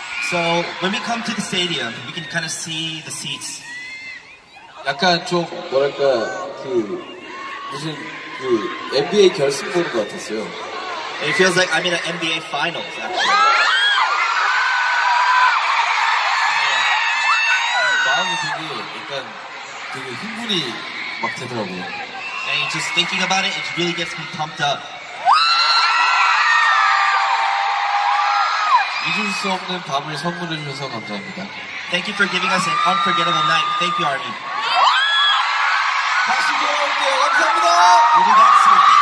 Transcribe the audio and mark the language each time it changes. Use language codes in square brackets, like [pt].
[en] So when we come to the stadium, we can kind of see the seats. [ko] 약간 좀 뭐랄까 그 무슨 그 NBA 결승전 것 같았어요. [en] It feels like I'm in an NBA finals actually. And just thinking about it, it really gets me pumped up. [ko] 잊을 수 없는 밤을 선물해 주셔서 감사합니다. [en] Thank you for giving us an unforgettable night. Thank you, Army. [ko] 다시 돌아올게요. 감사합니다. [en] We'll be back soon.